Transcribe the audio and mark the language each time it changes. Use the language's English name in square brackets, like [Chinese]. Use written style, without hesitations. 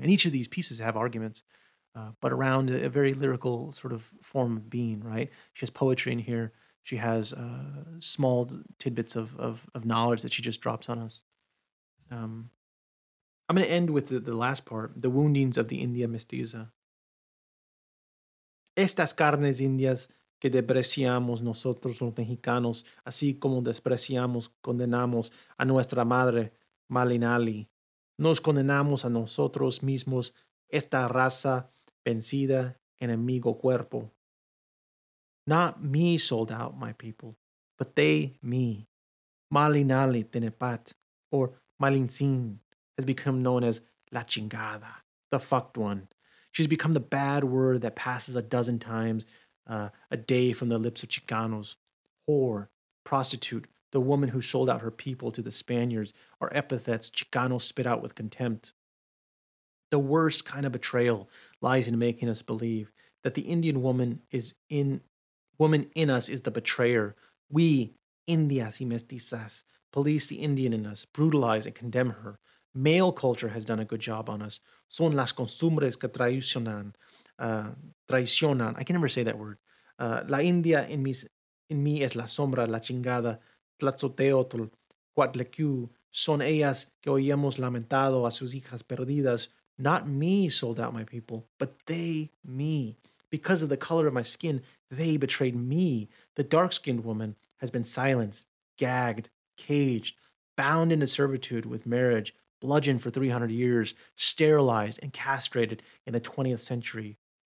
[English] And each of these pieces have arguments, but around a very lyrical sort of form of being, right? She has poetry in here. She has small tidbits of knowledge that she just drops on us. I'm going to end with the last part, the woundings of the India mestiza. [Spanish] Estas carnes indias que despreciamos nosotros los mexicanos, así como despreciamos, condenamos a nuestra madre, Malinali. Nos condenamos a nosotros mismos, esta raza vencida, enemigo cuerpo. [English] Not me sold out, my people, but they, me. Malinali tenepat, or Malintzin, has become known as la chingada, the fucked one. She's become the bad word that passes a dozen times a day from the lips of Chicanos. Whore, prostitute, the woman who sold out her people to the Spaniards are epithets Chicanos spit out with contempt. The worst kind of betrayal lies in making us believe that the Indian woman in us is the betrayer. We, [Spanish] Indias y Mestizas, [English] police the Indian in us, brutalize and condemn her. Male culture has done a good job on us. [Spanish] Son las costumbres que traicionan. [English] I can never say that word. [Spanish] La India en mí es la sombra, la chingada, tlatzoteotl, cuatlecu. Son ellas que oíamos lamentado a sus hijas perdidas. [English] Not me sold out my people, but they, me. Because of the color of my skin, they betrayed me. The dark-skinned woman has been silenced, gagged, caged, bound into servitude with marriage, bludgeoned for 300 years, sterilized and castrated in the 20th century.